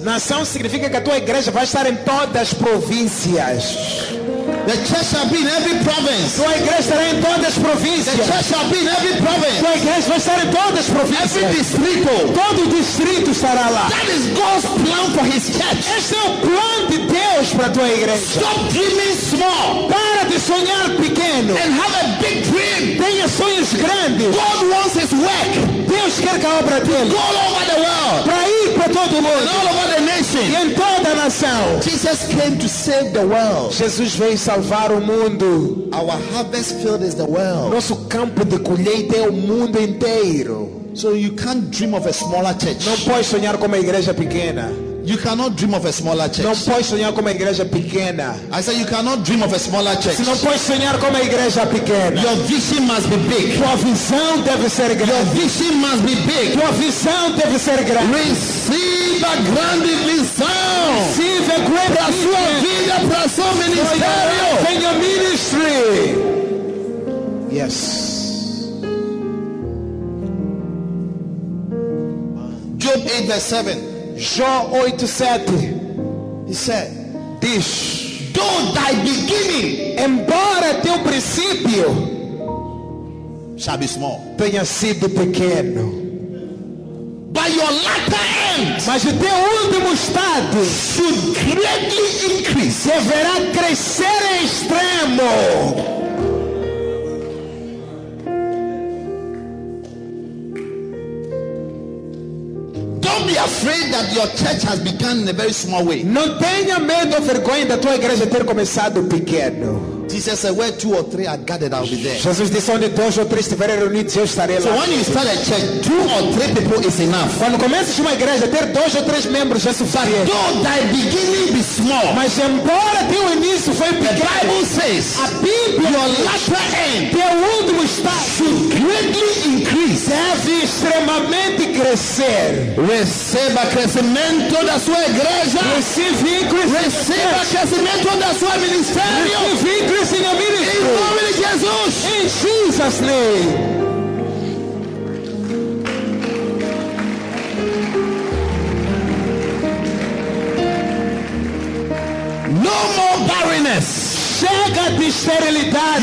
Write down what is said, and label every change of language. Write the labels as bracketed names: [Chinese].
[Portuguese] Nação significa que a tua igreja vai estar em todas as províncias. [English] The church shall be in every province. [Portuguese] Sua igreja estará em todas as províncias. [English] The church shall be in every province. [Portuguese] Sua igreja vai estar em todas as províncias. [English] Every distrito. [Portuguese] Todo distrito estará lá. [English] That is God's plan for His church. [Portuguese] Esse é o plano de Deus para tua igreja. [English] Stop dreaming small. [Portuguese] Para de sonhar pequeno. [English] And have a big dream. [Portuguese] Tenha sonhos grandes. [English] God wants His work. [Portuguese] Deus quer que a obra dele. [English] Go all over the world. [Portuguese] Para ir para todo mundo. [English] And all over the nation. [Portuguese] E em toda a nação. [English] Jesus came to save the world. [Portuguese] Jesus veio salvar o mundo. [English] Our harvest field is the world. [Portuguese] Nosso campo de colheita é o mundo inteiro. [English] So you can't dream of a smaller church. [Portuguese] Não pode sonhar com uma igreja pequena. [English] You cannot dream of a smaller church. [Portuguese] Não pode sonhar com uma igreja pequena. [English] I said you cannot dream of a smaller church. [Portuguese] Não pode sonhar com uma igreja pequena. [English] Your vision must be big. [Portuguese] Tua visão deve ser grande. [English] Your vision must be big. [Portuguese] Tua visão deve ser grande. [English] Receive [Portuguese] a grande visão. [English] Receive a great [Portuguese] para sua vida, para seu ministério. Para [English] your ministry. Yes. Job 8 verse 7. [Portuguese] João 8:7, [English] he said, [Portuguese] "Diz, [English] though thy beginning, [Portuguese] embora teu princípio, [English] shall be small, [Portuguese] tenha sido pequeno, [English] by your latter end, [Portuguese] mas o teu último estado, [English] should greatly increase, [Portuguese] deverá crescer em extremo." [English] Be afraid that your church has begun in a very small way. [Portuguese] Não tenha medo ou vergonha da tua igreja ter começado pequeno. [English] Jesus said, "Where two or three are gathered, I'll be there." [Portuguese] Jesus disse, onde dois ou três estiverem reunidos, eu estarei lá. [English] So when you start a church, two or three people is enough. [Portuguese] Quando começas uma igreja, ter dois ou três membros já é suficiente. [English] But though thy beginning be small, [Portuguese] mas embora teu início foi pequeno, [English] the Bible says, [Portuguese] a Bíblia, [English] your latter end, [Portuguese] teu último estado, [English] should greatly increase, [Portuguese] deve extremamente crescer. Receba crescimento da sua igreja. Receba crescimento da sua ministério. [English] Increase in your ministry. In the name of Jesus. In Jesus' name. No more barrenness. [Portuguese] Chega de esterilidade.